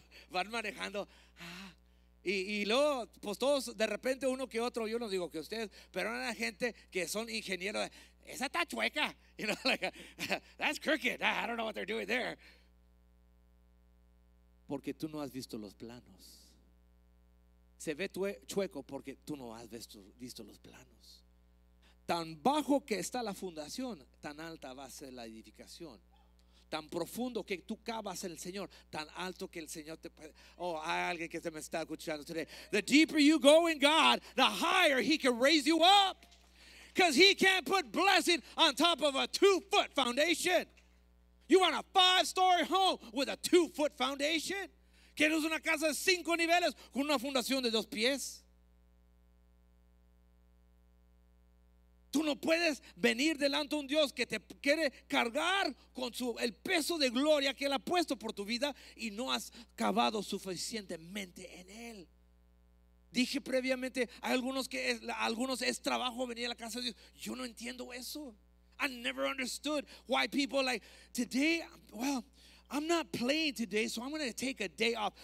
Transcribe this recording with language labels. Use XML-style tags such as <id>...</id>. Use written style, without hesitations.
<es>Van manejando. Y luego, pues todos, de repente uno que otro, yo no digo que ustedes, pero hay gente que son ingenieros. Esa está chueca.</es> <en>You know, like, that's crooked. I don't know what they're doing there.</en> <es>Porque tú no has visto los planos. Se ve chueco porque tú no has visto los planos. Tan bajo que está la fundación, tan alta va a ser la edificación. Tan profundo que tú cavas en el Señor, tan alto que el Señor te puede. Oh, hay alguien que se me está escuchando today.</es> <en>The deeper you go in God, the higher He can raise you up. Because He can't put blessing on top of a 2-foot foundation. You want a 5-story home with a 2-foot foundation?</en> <es>¿Quieres una casa de 5 niveles con una fundación de 2 pies? Tú no puedes venir delante de un Dios que te quiere cargar con el peso de gloria que Él ha puesto por tu vida y no has cavado suficientemente en Él. Dije previamente, hay algunos que es trabajo venir a la casa de Dios. Yo no entiendo eso.</es> <en>I never understood why people like, today, well, I'm not playing today, so I'm going to take a day off.</en>